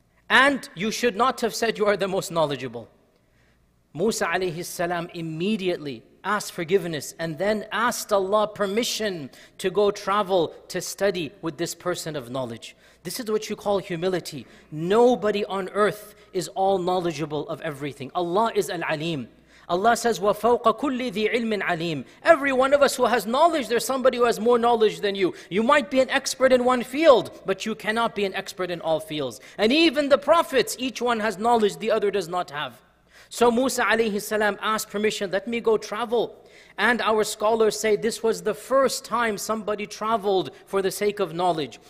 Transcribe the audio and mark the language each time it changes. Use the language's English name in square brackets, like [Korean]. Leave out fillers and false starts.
[English] And you should not have said you are the most knowledgeable." Musa alayhi salam immediately asked forgiveness and then asked Allah permission to go travel to study with this person of knowledge. This is what you call humility. Nobody on earth is all knowledgeable of everything. Allah is al-Alim. Allah says, [Arabic] وَفَوْقَ كُلِّ ذِي عِلْمٍ عَلِيمٍ. [English] Every one of us who has knowledge, there's somebody who has more knowledge than you. You might be an expert in one field, but you cannot be an expert in all fields. And even the prophets, each one has knowledge the other does not have. So Musa alayhi salam asked permission, "Let me go travel." And our scholars say this was the first time somebody traveled for the sake of knowledge.